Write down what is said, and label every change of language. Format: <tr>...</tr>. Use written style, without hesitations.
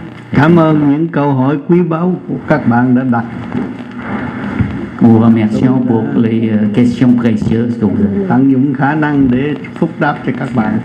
<vi>Cảm ơn những câu hỏi quý báu của các bạn đã đặt.</vi> <fr>Vous remercions pour les questions précieuses que vous avez.</fr> <vi>Tận dụng khả năng để phúc đáp cho các bạn.</vi>